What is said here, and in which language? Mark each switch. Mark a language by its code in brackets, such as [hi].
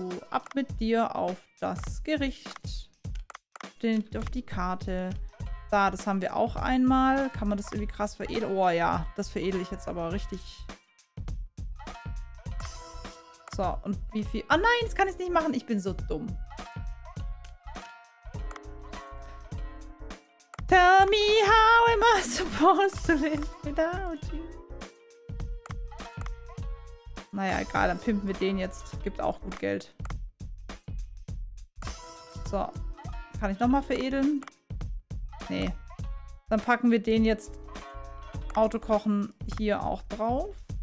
[de] Ab mit dir auf das Gericht. auf die Karte. Da, das haben wir auch einmal. Kann man das irgendwie krass veredeln? Oh ja, das veredle ich jetzt aber richtig. So, und wie viel? Oh nein, das kann ich nicht machen. Ich bin so dumm. [en] Tell me, how am I supposed to live without you? [de] Naja, egal, dann pimpen wir den jetzt. Gibt auch gut Geld. So. Kann ich nochmal veredeln? Nee. Dann packen wir den jetzt Autokochen hier auch drauf.